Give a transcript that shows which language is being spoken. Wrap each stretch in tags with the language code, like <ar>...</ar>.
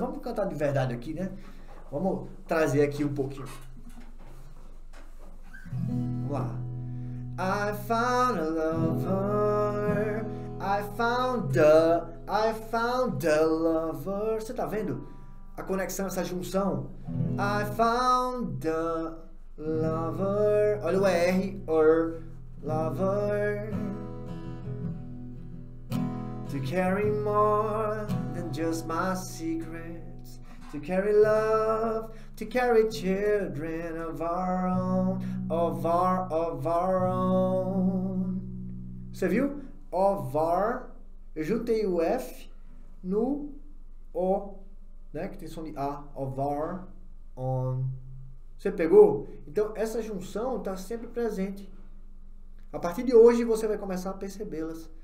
<pt>Vamos cantar de verdade aqui, né? Vamos trazer aqui um pouquinho. Vamos lá.</pt> <en>I found a lover. I found the lover.</en> <pt>Você tá vendo a conexão, essa junção?</pt> <en>I found the lover.</en> <pt>Olha o R, or.</pt> <en>lover, to carry more than just my secrets, to carry love, to carry children of our own, of our own.</en> <pt>Você viu? Of our, eu juntei o F no O, né? Que tem som de A, of our own. Você pegou? Então essa junção está sempre presente. A partir de hoje você vai começar a percebê-las.</pt>